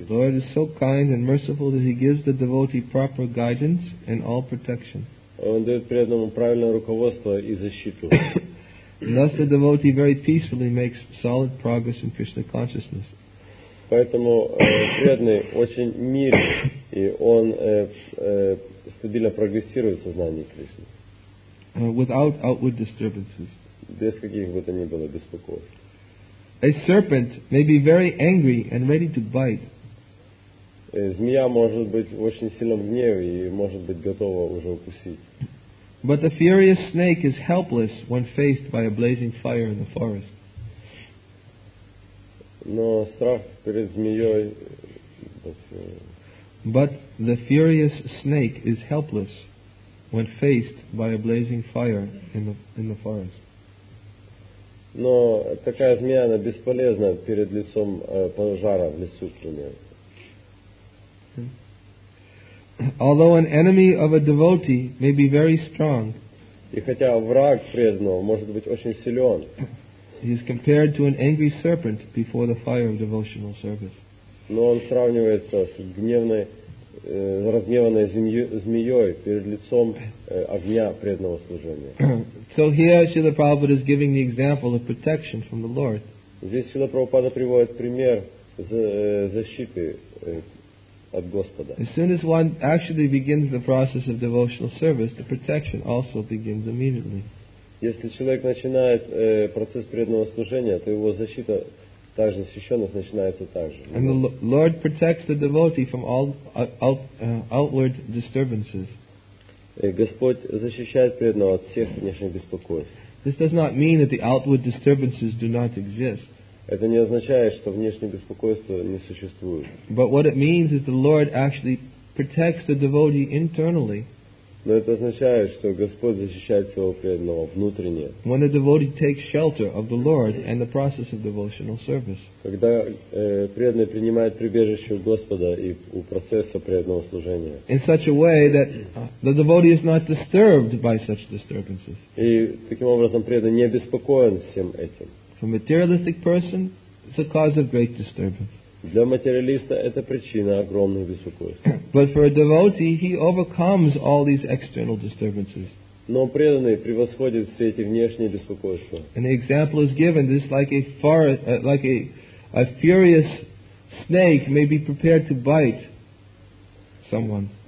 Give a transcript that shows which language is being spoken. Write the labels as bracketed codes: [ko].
[en] so the Lord is so kind and merciful that he gives the devotee proper guidance and all protection. [ru] Он дает преданному правильное руководство и защиту. [en] And thus the devotee very peacefully makes solid progress in Krishna consciousness. [ru] Поэтому преданный очень мирен, и он стабильно прогрессирует в сознании Кришны. [en] Without outward disturbances. [ru] Без каких бы то ни было беспокойств. [en] A serpent may be very angry and ready to bite. [ru] Змея может быть в очень сильном гневе и может быть готова уже укусить. [en] But the furious snake is helpless when faced by a blazing fire in the forest. [ru] Но страх перед змеей. [en] But the furious snake is helpless when faced by a blazing fire in the forest. [ru] Но такая змея, она бесполезна перед лицом пожара в лесу, к примеру. [en] Although an enemy of a devotee may be very strong, [ru] и хотя враг преданного может быть очень силен, [en] he is compared to an angry serpent before the fire of devotional service. [ru] Но он сравнивается с гневной, разгневанной змеей перед лицом огня преданного служения. [en] So here Śrīla Prabhupāda is giving the example of protection from the Lord. [ru] Здесь Śrīla Prabhupāda приводит пример защиты от Господа. [en] As soon as one actually begins the process of devotional service, the protection also begins immediately. [ru] Если человек начинает процесс преданного служения, то его защита также священных начинается также. [en] And the Lord protects the devotee from all outward disturbances. [ru] Господь защищает преданного от всех внешних беспокойств. [en] This does not mean that the outward disturbances do not exist. [ru] Это не означает, что внешние беспокойства не существуют. [en] But what it means is the Lord actually protects the devotee internally. [ru] Но это означает, что Господь защищает своего преданного внутренне. [en] When a devotee takes shelter of the Lord and the process of devotional service. [ru] Когда преданный принимает прибежище у Господа и у процесса преданного служения. [en] In such a way that the devotee is not disturbed by such disturbances. [ru] И таким образом преданный не обеспокоен всем этим. [en] For a materialistic person, it's a cause of great disturbance. [ru] Для материалиста это причина огромных беспокойств. [en] But for a devotee, he overcomes all these external disturbances. [ru] Но преданный превосходит все эти внешние беспокойства. [en] And the example is given, just like a forest, like a furious snake may be prepared to bite someone.